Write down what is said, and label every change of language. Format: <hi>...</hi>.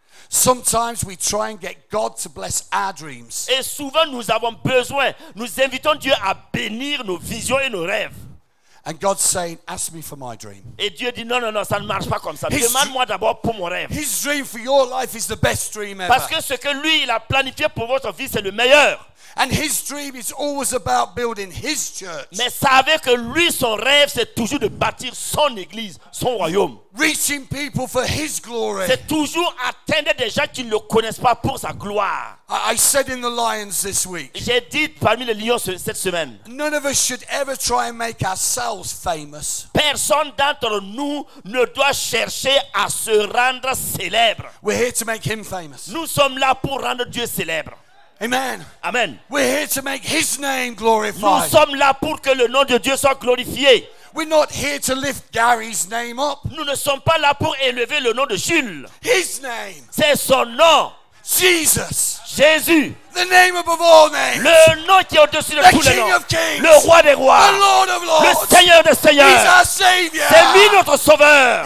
<en>Sometimes we try and get God to bless our dreams.</en> <fr>Et souvent nous avons besoin, nous invitons Dieu à bénir nos visions et nos rêves.</fr> <en>And God's saying, ask me for my dream.</en> <fr>Et Dieu dit, non, non, non, ça ne marche pas comme ça. Demande-moi d'abord pour mon rêve.</fr> <en>His dream for your life is the best dream ever.</en> <fr>Parce que ce que lui, il a planifié pour votre vie, c'est le meilleur.</fr> <en>And his dream is always about building his church.</en> <fr>Mais savez que lui, son rêve, c'est toujours de bâtir son église, son royaume.</fr> <en>Reaching people for his glory.</en> <fr>C'est toujours atteindre des gens qui ne le connaissent pas pour sa gloire.</fr> <en>I said in the lions this week.</en> <fr>J'ai dit parmi les lions cette semaine.</fr> <en>None of us should ever try and make ourselves famous.</en> <fr>Personne d'entre nous ne doit chercher à se rendre célèbre.</fr> <en>We're here to make him famous.</en> <fr>Nous sommes là pour rendre Dieu célèbre.</fr> <en>Amen.</en> <fr>Amen.</fr> <en>We're here to make his name glorified.</en> <fr>Nous sommes là pour que le nom de Dieu soit glorifié.</fr> <en>We're not here to lift Gary's name up.</en> <fr>Nous ne sommes pas là pour élever le nom de Jules.</fr> <en>His name.</en> <fr>C'est son nom.</fr> <en>Jesus.</en> <fr>Jésus.</fr> <en>The name above all names.</en> <fr>Le nom qui est au-dessus de tous les noms.</fr> <en>The King of kings.</en> <fr>Le roi des rois.</fr> <en>The Lord of lords.</en> <fr>Le Seigneur des seigneurs.</fr> <en>He's our savior.</en> <fr>C'est lui notre sauveur.</fr>